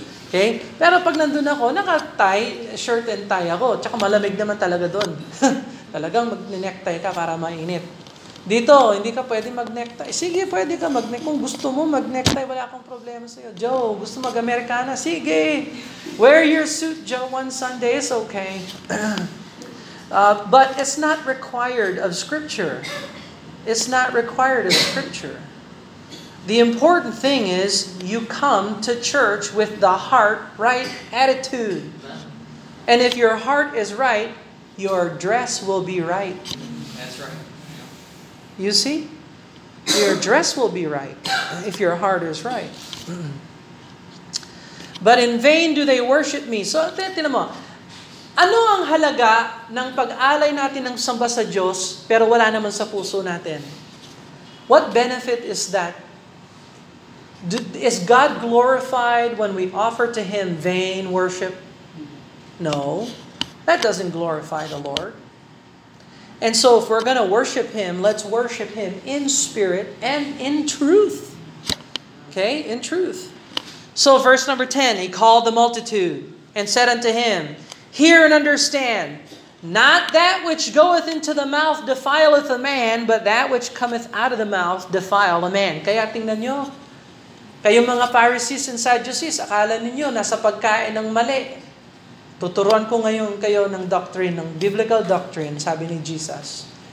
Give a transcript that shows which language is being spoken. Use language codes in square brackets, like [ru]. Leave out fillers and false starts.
[tl] Okay? Pero pag nandun ako, naka-tie, [en] shirt and tie [tl] ako. Tsaka malamig naman talaga doon. Talagang mag-necktie ka para mainit. Dito, hindi ka pwede mag-necktie. Sige, pwede ka mag-necktie. Kung gusto mo mag-necktie, wala akong problema sa iyo. Joe, gusto mag-Americana? Sige. [en] Wear your suit, Joe, one Sunday is okay. But it's not required of Scripture. It's not required of Scripture. The important thing is you come to church with the heart right attitude. And if your heart is right, your dress will be right. That's right. You see? Your dress will be right if your heart is right. But in vain do they worship me. [tl] So, tinan mo. Ano ang halaga ng pag-alay natin ng samba sa Diyos pero wala naman sa puso natin? [en] What benefit is that? Is God glorified when we offer to Him vain worship? No. That doesn't glorify the Lord. And so if we're going to worship Him, let's worship Him in spirit and in truth. Okay? In truth. So verse number 10, He called the multitude and said unto Him, Hear and understand, not that which goeth into the mouth defileth a man, but that which cometh out of the mouth defile a man. [tl] Kaya tingnan nyo. Kayong mga Pharisees and Sadducees, akala ninyo nasa pagkain ng mali. Tuturuan ko ngayon kayo ng doctrine, ng biblical doctrine, sabi ni Jesus.